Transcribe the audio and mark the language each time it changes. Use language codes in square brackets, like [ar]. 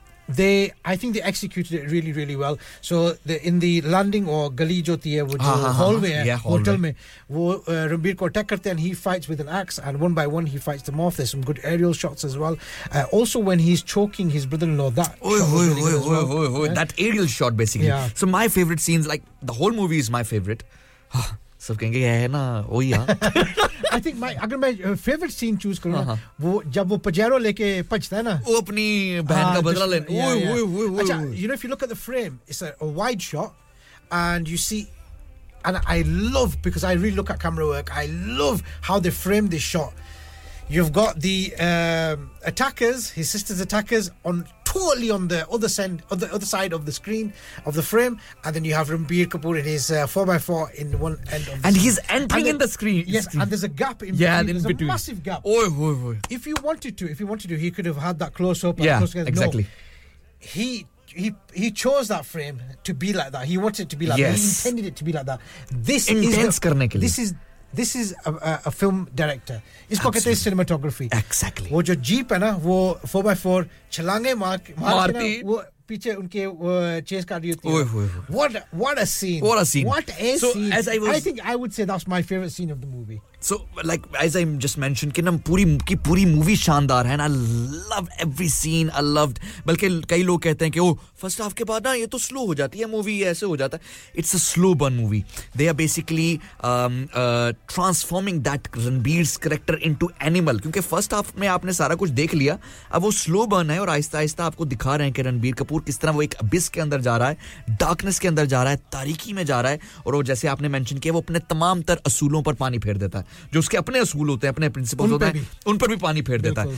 [en] They, I think they executed it really, really well. So the, in the landing or [hi] gali jo thi hai, [en] which hallway hotel mein, [hi] wo Ranbir ko attack karte [en] and he fights with an axe and one by one he fights them off. There's some good aerial shots as well. Also when he's choking his brother-in-law, that that aerial shot basically. Yeah. So my favorite scenes, like the whole movie is my favorite. [hi] सब कहेंगे ये है ना वो ही हाँ। [en] I think my [hi] अगर मैं favourite scene choose करूँ ना वो जब वो पजेरो लेके पचता है ना। वो अपनी बहन का बदला लेने। [en] अच्छा, you know if you look at the frame, it's a wide shot, and you see, and I love because I really look at camera work. I love how they frame this shot. You've got the attackers, his sister's attackers, on totally on the other side, other side of the screen, of the frame, and then you have Ranbir Kapoor in his 4x4 in one end of the And screen. He's entering and then, in the screen. Yes, screen. And there's a gap in between. Yeah, there's between. A massive gap. If you wanted to, he could have had that close-up. Yeah, close together. Exactly. No, he chose that frame to be like that. He wanted it to be like that. He intended it to be like that. This Intense the, This is... This is a film director. [hi] इसको कहते हैं cinematography. [en] Exactly. [hi] वो जो jeep है ना, वो 4x4 छलांगे मारती है, वो पीछे उनके chase कर रही होती है. [en] What a scene. What a scene. What a scene. So, as I was, I think I would say that's my favorite scene of the movie. So like as I just mentioned [hi] कि ना पूरी movie शानदार है, [en] and I love every scene. I loved. [hi] बल्कि कई लोग कहते हैं कि first half के बाद ना ये तो slow हो जाती है movie, ऐसे हो जाता है. [en] It's a slow burn movie. They are basically transforming that Ranbir's character into animal. [hi] क्योंकि first half में आपने सारा कुछ देख लिया, अब वो slow burn है और आहिस्ता आहिस्ता आपको दिखा रहे हैं कि Ranbir Kapoor किस तरह वो एक abyss के अंदर जा रहा है, darkness के अंदर जा रहा है, तारीकी में जा रहा है, और वो जैसे आपने mention किया वो अपने तमाम तर असूलों पर पानी फेर देता है. जो उसके अपने असूल होते हैं, अपने प्रिंसिपल होते हैं, उन पर भी पानी फेर देता है.